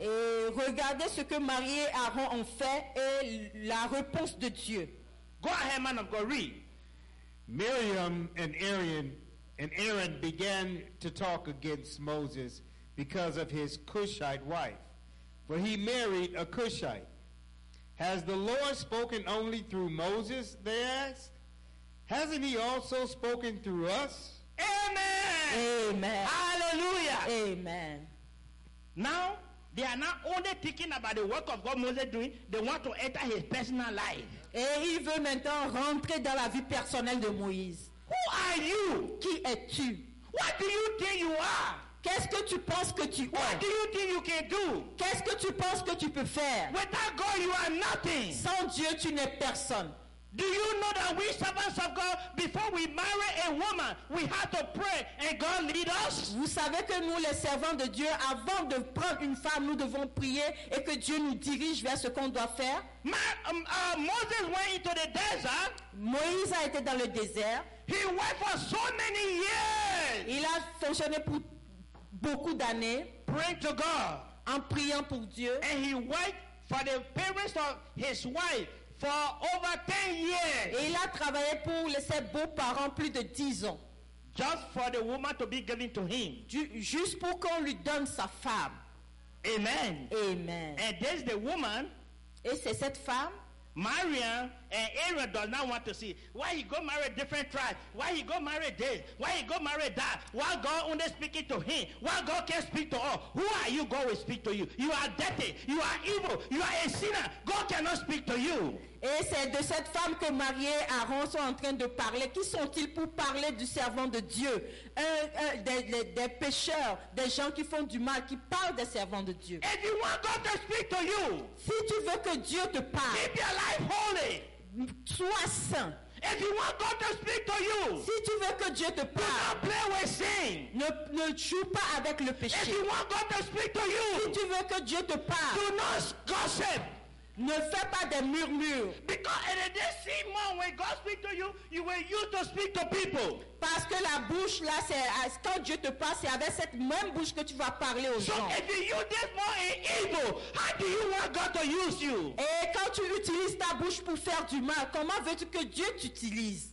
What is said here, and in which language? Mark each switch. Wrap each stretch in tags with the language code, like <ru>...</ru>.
<fr>Et regardez ce que Marie et Aaron ont fait et la réponse de Dieu.</fr> <en>Go ahead, man of God, read. Miriam and Aaron began to talk against Moses because of his Cushite wife, for he married a Cushite. Has the Lord spoken only through Moses, they asked? Hasn't he also spoken through us? Amen! Amen! Hallelujah! Amen! Now, they are not only thinking about the work of God Moses doing, they want to enter his personal life.</en> <fr>Et il veut maintenant rentrer dans la vie personnelle de Moïse.</fr> <en>Who are you?</en> <fr>Qui es-tu?</fr> <en>What do you think you are?</en> <fr>Qu'est-ce que tu penses que tu</fr> <en>What do you think you can do?</en> <fr>Qu'est-ce que tu penses que tu peux faire?</fr> <en>Without God, you are nothing.</en> <fr>Sans Dieu, tu n'es personne.</fr> <en>Do you know that we servants of God, before we marry a woman, we have to pray and God lead us?</en> <fr>Vous savez que nous, les servants de Dieu, avant de prendre une femme, nous devons prier et que Dieu nous dirige vers ce qu'on doit faire.</fr> <en>Moses went into the desert.</en> <fr>Moïse a été dans le désert.</fr> <en>He worked for so many years.</en> <fr>Il a fonctionné pour beaucoup d'années.</fr> <en>Praying to God.</en> <fr>En priant pour Dieu.</fr> <en>And he worked for the parents of his wife. For over 10 years.</en> <fr>Et il a travaillé pour ses beaux-parents plus de 10 ans.</fr> <en>Just for the woman to be given to him.</en> <fr>Juste pour qu'on lui donne sa femme.</fr> <en>Amen.</en> <fr>Amen.</fr> <en>And there's the woman.</en> <fr>Et c'est cette femme.</fr> <en>Marian and Aaron does not want to see. Why he go marry a different tribe? Why he go marry this? Why he go marry that? Why God only speaking to him? Why God can't speak to all? Who are you? God will speak to you. You are dirty. You are evil. You are a sinner. God cannot speak to you.</en> <fr>Et c'est de cette femme que Marie et Aaron sont en train de parler. Qui sont-ils pour parler du servant de Dieu? Des pécheurs, des gens qui font du mal, qui parlent des servants de Dieu.</fr> <en>If you want God to speak to you,</en> <fr>si tu veux que Dieu te parle,</fr> <en>keep your life holy.</en> <fr>Sois saint.</fr> <en>If you want God to speak to you,</en> <fr>si tu veux que Dieu te parle,</fr> <en>do not play with sin.</en> <fr>Ne joue pas avec le péché.</fr> <en>If you want God to speak to you,</en> <fr>si tu veux que Dieu te parle,</fr> <en>do not gossip.</en> <fr>Ne fais pas des murmures.</fr> <en>Because in this season, when God speaks to you, you will use to speak to people.</en> <fr>Parce que la bouche là, c'est quand Dieu te parle, c'est avec cette même bouche que tu vas parler aux gens.</fr> <en>So if you use this more in evil, how do you want God to use you?</en> <fr>Et quand tu utilises ta bouche pour faire du mal, comment veux-tu que Dieu t'utilise?</fr>